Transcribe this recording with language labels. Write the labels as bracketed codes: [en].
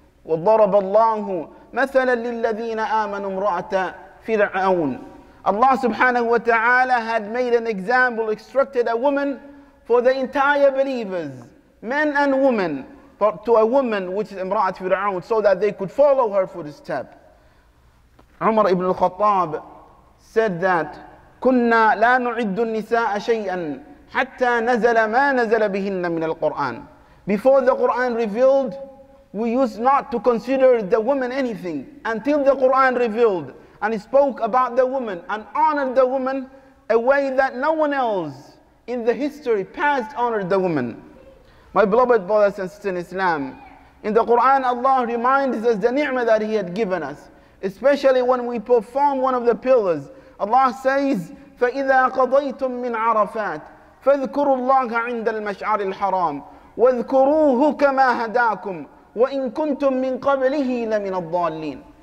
[ar] وَضَرَبَ اللَّهُ مَثَلًا لِلَّذِينَ آمَنُوا امْرَأَةَ فِرْعَوْنَ. [en] Allah subhanahu wa ta'ala had made an example, extracted a woman for the entire believers, men and women, to a woman which is Imra'at Fir'aun, so that they could follow her footstep. Umar ibn al-Khattab said that, [ar] كُنَّا لَا نُعِدُّ النِّسَاءَ شَيْئًا حَتَّى نَزَلَ مَا نَزَلَ بِهِنَّ مِنَ الْقُرْآنِ. [en] Before the Qur'an revealed, we used not to consider the woman anything. Until the Qur'an revealed and spoke about the woman and honored the woman a way that no one else in the history past honored the woman. My beloved brothers and sisters in Islam, in the Quran, Allah reminds us the ni'mah that He had given us, especially when we perform one of the pillars. Allah says, [ar] فَإِذَا قَضَيْتُم مِّنْ عَرَفَاتٍ فَاذْكُرُوا اللَّهَ عِنْدَ الْمَشْعَرِ الْحَرَامِ وَاذْكُرُوهُ كَمَا هَدَاكُمْ وَإِن كُنتُم مِّن قَبْلِهِ لَمِنَ الضَّالِّينَ.